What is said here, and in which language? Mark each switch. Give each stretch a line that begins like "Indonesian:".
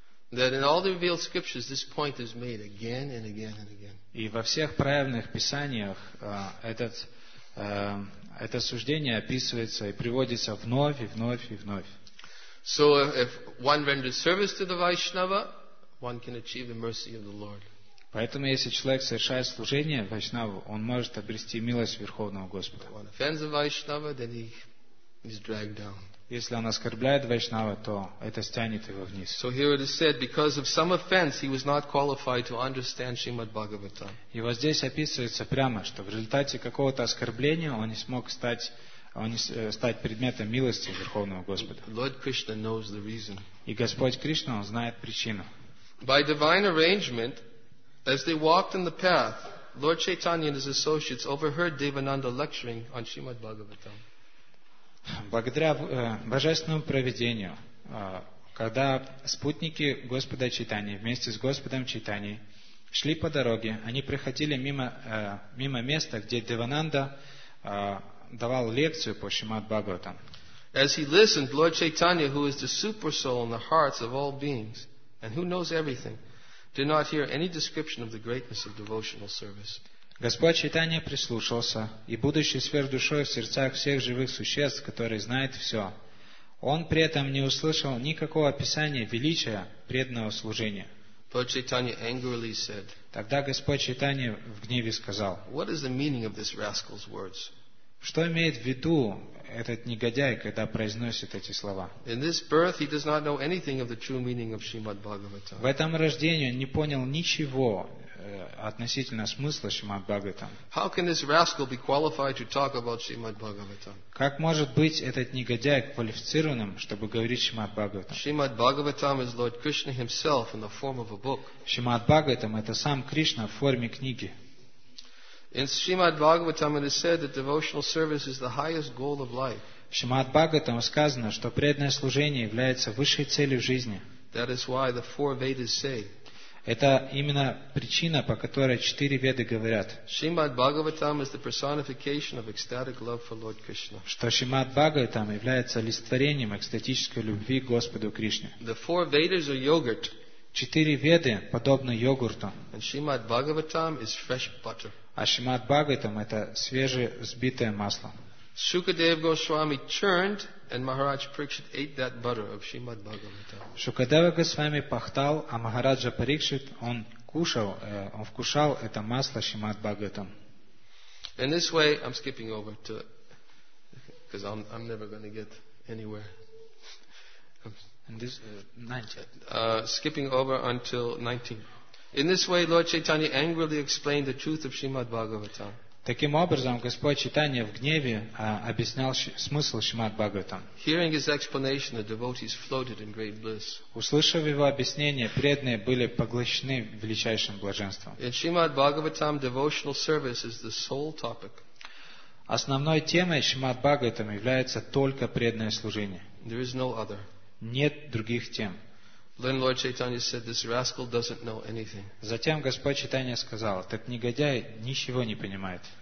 English: That in all the revealed scriptures this point is made again and again and again.
Russian: И во всех проявленных писаниях это суждение описывается и приводится вновь и вновь и вновь.
English: So if one renders service to the Vaishnava, one can achieve the mercy of the Lord.
Russian: Поэтому если человек совершает служение Вайшнаву, он может обрести милость Верховного Господа.
English: One offends the Vaishnava, then he is dragged down.
Russian: Если он оскорбляет Вайшнава, то это стянет его вниз.
English: So here it is said, because of some offense, he was not qualified to understand Shrimad Bhagavatam.
Russian: И вот здесь описывается прямо, что в результате какого-то оскорбления он не смог стать предметом милости Верховного Господа.
English: Lord Krishna knows the reason.
Russian: И Господь Кришна, он знает причину.
English: By divine arrangement, as they walked in the path, Lord Chaitanya and his associates overheard Devananda lecturing on Shrimad Bhagavatam.
Russian: Благодаря божественному провидению, когда спутники Господа Чайтани вместе с Господом Чайтани шли по дороге, они проходили мимо места, где Девананда давал лекцию по Шримад Бхагаватам.
English: As he listened, Lord Chaitanya, who is the super soul in the hearts of all beings and who knows everything, did not hear any description of the greatness of devotional service.
Russian: Господь Чайтанья прислушался, и будучи сверхдушой в сердцах всех живых существ, который знает все, он при этом не услышал никакого описания величия преданного служения.
English: Lord Chaitanya angrily said,
Russian: тогда Господь Чайтанья в гневе сказал,
English: what is the meaning of this rascal's words?
Russian: Что имеет в виду этот негодяй, когда произносит эти слова?
English: In this birth, he does not know anything of the true meaning of Shrimad Bhagavatam.
Russian: В этом рождении он не понял ничего относительно смысла Шримад Бхагаватам.
English: How can this rascal be qualified to talk about Shrimad Bhagavatam?
Russian: Как может быть этот негодяй квалифицированным, чтобы говорить Шримад Бхагаватам?
English: Shrimad Bhagavatam is Lord Krishna himself in the form of a book.
Russian: Шримад Бхагаватам это сам Кришна в форме книги.
English: In Shrimad Bhagavatam it is said that devotional service is the highest goal of life.
Russian: В Шримад Бхагаватам сказано, что преданное служение является высшей целью жизни.
English: That is why the four Vedas say.
Russian: Это именно причина, по которой четыре веды говорят,
English: Shrimad Bhagavatam is the personification of ecstatic love for Lord Krishna.
Russian: Что Шримад Бхагаватам является олицетворением экстатической любви к Господу Кришне.
English: The four Vedas are yogurt.
Russian: Четыре веды подобны йогурту.
English: And Shrimad Bhagavatam is fresh butter.
Russian: А Шримад Бхагаватам это свежесбитое масло.
English: Shukadev Goswami churned and Maharaj Parikshit ate that butter of Shrimad Bhagavatam.
Russian: Шукадева Госвами пахтал, а Махараджа Парикшит он кушал, он вкушал это масло Шримад Бхагаватам.
English: In this way, I'm skipping over to, because I'm never going to get anywhere. And this 19. Skipping over until 19. In this way, Lord Chaitanya angrily explained the truth of Shrimad Bhagavatam.
Russian: Таким образом, Господь Чайтанья в гневе объяснял смысл Шримад Бхагаватам.
English: Hearing his explanation, the devotees floated in great bliss.
Russian: Услышав его объяснение, преданные были поглощены величайшим блаженством.
English: In Shrimad Bhagavatam, devotional service is the sole topic.
Russian: Основной темой Шримад Бхагаватам является только преданное служение.
English: There is no other.
Russian: Нет других тем.
English: Then Lord Chaitanya said, "This rascal doesn't know anything."
Russian: Затем Господь Чайтанья сказал, этот негодяй ничего не понимает.